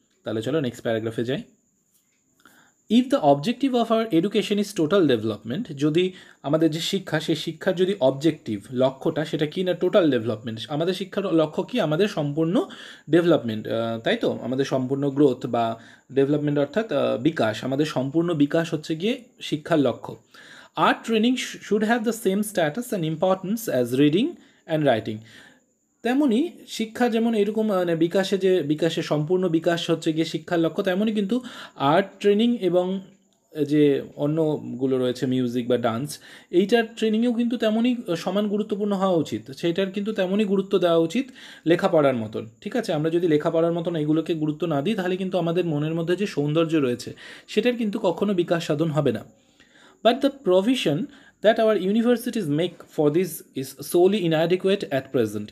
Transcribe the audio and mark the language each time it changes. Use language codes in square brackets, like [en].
[bn] তাহলে চলো নেক্সট প্যারাগ্রাফে যাই। [en] if the objective of our education is total development, [bn] যদি আমাদের যে শিক্ষা, সেই শিক্ষার যদি অবজেক্টিভ লক্ষ্যটা সেটা কী না টোটাল ডেভেলপমেন্ট, আমাদের শিক্ষার লক্ষ্য কী, আমাদের সম্পূর্ণ ডেভেলপমেন্ট, তাই তো? আমাদের সম্পূর্ণ গ্রোথ বা ডেভেলপমেন্ট অর্থাৎ বিকাশ, আমাদের সম্পূর্ণ বিকাশ হচ্ছে গিয়ে শিক্ষার লক্ষ্য। [en] Art training should have the same status and importance as reading and writing. [bn] তেমনই শিক্ষা যেমন এরকম মানে বিকাশে, যে বিকাশে সম্পূর্ণ বিকাশ হচ্ছে গিয়ে শিক্ষার লক্ষ্য, তেমনই কিন্তু আর্ট ট্রেনিং এবং যে অন্যগুলো রয়েছে মিউজিক বা ডান্স, এইটার ট্রেনিংও কিন্তু তেমনই সমান গুরুত্বপূর্ণ হওয়া উচিত, সেইটার কিন্তু তেমনই গুরুত্ব দেওয়া উচিত লেখাপড়ার মতন। ঠিক আছে, আমরা যদি লেখাপড়ার মতন এইগুলোকে গুরুত্ব না দিই, তাহলে কিন্তু আমাদের মনের মধ্যে যে সৌন্দর্য রয়েছে সেটার কিন্তু কখনো বিকাশ সাধন হবে না। [en] But the provision that our universities make for this is solely inadequate at present.